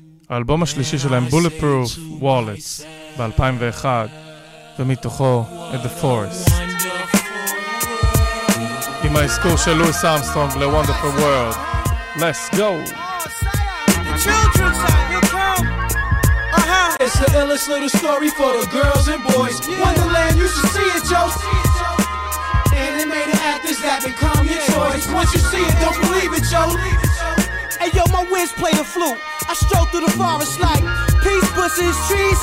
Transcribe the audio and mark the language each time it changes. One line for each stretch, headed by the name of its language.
Hebrew: האלבום השלישי שלהם, Bulletproof Wallets, ב-2001, ומתוכו At The Force. עם ההזכור של לואיס ארמסטרונג ל-Wonderful World.
English: Let's go! It's the illest little story for the girls and boys. Yeah. Wonderland, you should see it, Joe. Animated actors that become your choice. Once you see it, don't believe it, Joe. Hey, yo, my whiz play the flute. I stroll through the forest like peace, bushes, trees.